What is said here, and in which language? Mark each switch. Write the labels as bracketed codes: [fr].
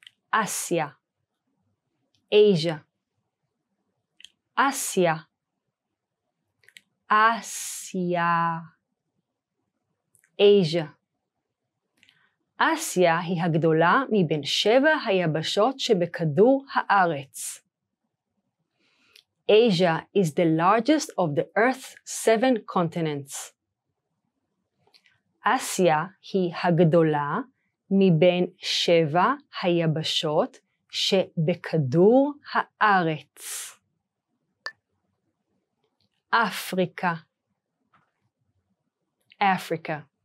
[he] אסיה. [en] Asia. [he] אסיה. אסיה. [en] Asia. [he] אסיה היא הגדולה מבין שבע היבשות שבכדור הארץ. [en] Asia is the largest of the Earth's seven continents. [he] אסיה היא הגדולה מבין שבע היבשות שבכדור הארץ. אפריקה. [en] Africa.